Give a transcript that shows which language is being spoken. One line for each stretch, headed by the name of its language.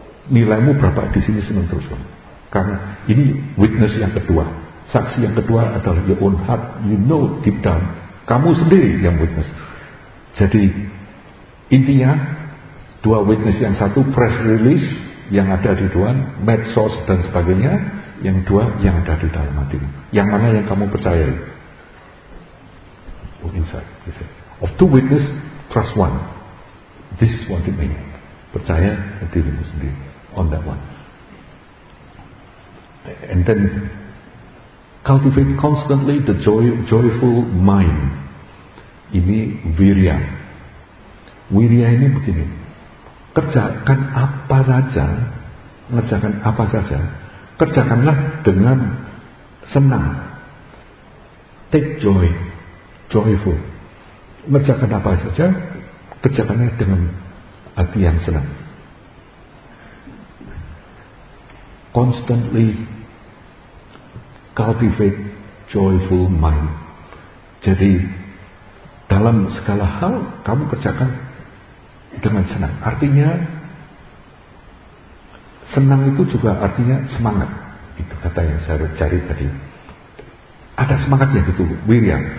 Indonesian: Nilaimu berapa di sini senang terus, karena ini witness yang kedua, saksi yang kedua adalah
English: your own heart, you know deep down,
Indonesian: kamu sendiri yang witness. Jadi intinya dua witness, yang satu press release yang ada di luar, medsos dan sebagainya, yang dua yang ada di dalam hati. Yang mana yang kamu percayai?
English: Oh, inside. Of two witness, trust one. This is what it means.
Indonesian: Percaya dirimu sendiri
English: on that one. And then Cultivate constantly the joyful mind.
Indonesian: Ini wirya. Wirya ini begini. Kerjakan apa saja, ngerjakan apa saja, kerjakanlah dengan senang.
English: Take joy, joyful.
Indonesian: Ngerjakan apa saja, kerjakannya dengan hati yang senang.
English: Constantly cultivate joyful mind.
Indonesian: Jadi dalam segala hal kamu kerjakan dengan senang. Artinya senang itu juga artinya semangat. Itu kata yang saya cari tadi. Ada semangatnya gitu, wirya.